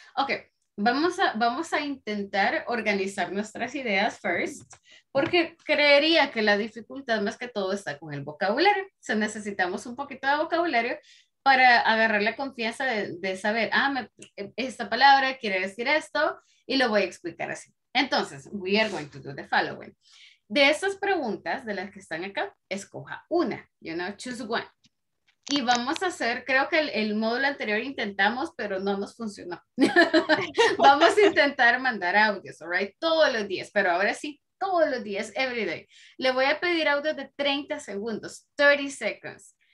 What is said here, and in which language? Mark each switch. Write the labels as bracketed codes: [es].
[es] Ok, vamos a intentar organizar nuestras ideas [en] first, [es] porque creería que la dificultad más que todo está con el vocabulario. O sea, necesitamos un poquito de vocabulario para agarrar la confianza de saber, esta palabra quiere decir esto, y lo voy a explicar así. Entonces, [en] we are going to do the following. [es] De esas preguntas, de las que están acá, escoja una, [en] you know, choose one. [es] Y vamos a hacer, creo que el módulo anterior intentamos, pero no nos funcionó. Vamos a intentar mandar audios, [en] all right, [es] todos los días, pero ahora sí, todos los días, [en] every day. [es] Le voy a pedir audio de 30 segundos, [en] 30 seconds.